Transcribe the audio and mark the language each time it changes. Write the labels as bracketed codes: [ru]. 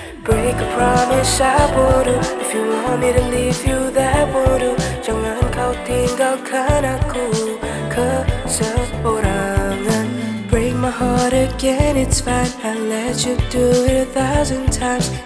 [en] Break a promise, I would do. If you want me to leave you, that would do. [ms] Jangan kau tinggalkan aku keseorangan. [en] Break my heart again, it's fine. I'll let you do it a thousand times.